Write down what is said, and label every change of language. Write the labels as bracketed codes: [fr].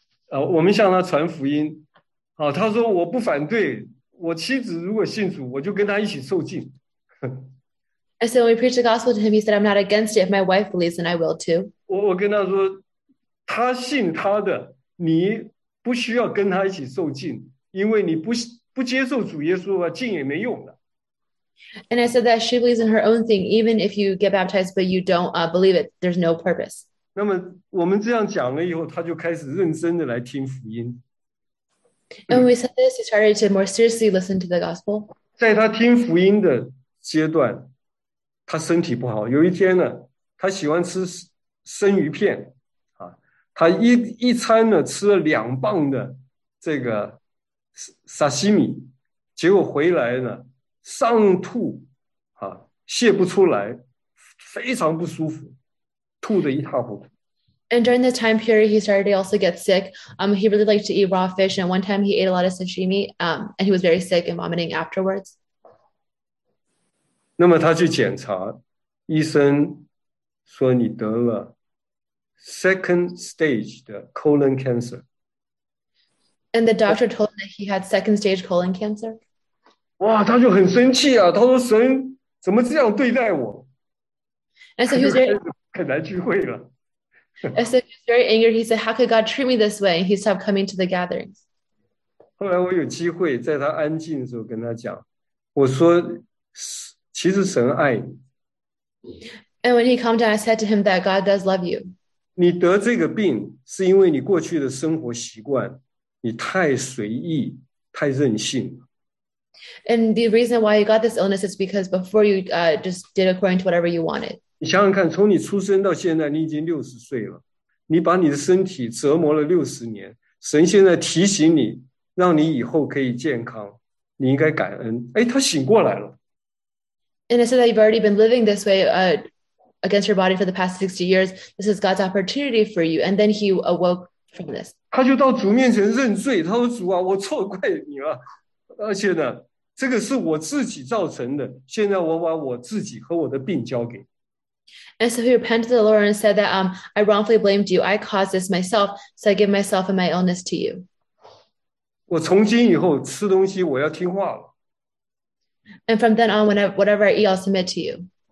[zh] 我们向他传福音, 他说我不反对, 我妻子如果信主, 我就跟他一起受浸。 [en] And so when we preached the gospel to him, he said, I'm not against it. If my wife believes, then I will too. [zh] 我跟他说, 他信他的, 你不需要跟他一起受浸, 因为你不接受主耶稣的话, 浸也没用的。 [en] And I said that she believes in her own thing. Even if you get baptized, but you don't believe it, there's no purpose. [zh] 那么我们这样讲了以后, 他就开始认真地来听福音。 [en] And when we said this, he started to more seriously listen to the gospel. [zh] 在他听福音的阶段, 他身体不好, 有一天呢, 他喜欢吃生鱼片, 啊, 他一餐呢, 吃了两磅的这个 sashimi, 结果回来呢, 上吐, 啊, 泄不出来, 非常不舒服, 吐得一塌糊涂。 [en] And during this time period, he started to also get sick. He really liked to eat raw fish, and one time he ate a lot of sashimi, and he was very sick and vomiting afterwards. [zh] 那么他去检查, 医生说你得了 [en] second stage [zh] 的 [en] colon cancer. And the doctor told him that he had second stage colon cancer. [zh] 哇,他就很生气啊, 他说神怎么这样对待我? [en] And so he was very... And so he's very angry. He said, how could God treat me this way? And he stopped coming to the gatherings. [zh] 后来我有机会在他安静的时候跟他讲, 我说, 其实神爱你。 [en] And when he calmed down, I said to him that God does love you. [zh] 你得这个病是因为你过去的生活习惯, 你太随意, 太任性。 [en] And the reason why you got this illness is because before you just did according to whatever you wanted. [zh] 你想想看, 从你出生到现在, 你已经60岁了。你把你的身体折磨了60年, 神现在提醒你, 让你以后可以健康, 你应该感恩, 诶, 他醒过来了。 [en] And it said that you've already been living this way against your body for the past 60 years. This is God's opportunity for you. And then he awoke from this. [zh] 他就到主面前认罪, 他说主啊, 我错怪你了, 而且呢, 这个是我自己造成的, 现在我把我自己和我的病交给你。 [en] And so he repented to the Lord and said that I wrongfully blamed you. I caused this myself, so I give myself and my illness to you. [zh] 我从今以后吃东西我要听话了。 [en] And from then on, whatever I eat, I'll submit to you.